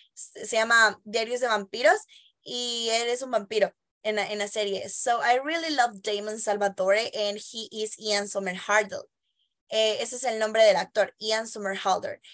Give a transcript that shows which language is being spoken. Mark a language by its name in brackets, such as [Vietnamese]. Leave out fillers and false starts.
[Spanish] Se llama Diarios de Vampiros, y él es un vampiro en la serie. [English] So I really love Damon Salvatore, and he is Ian Somerhalder. [Spanish] Ese es el nombre del actor, Ian Somerhalder.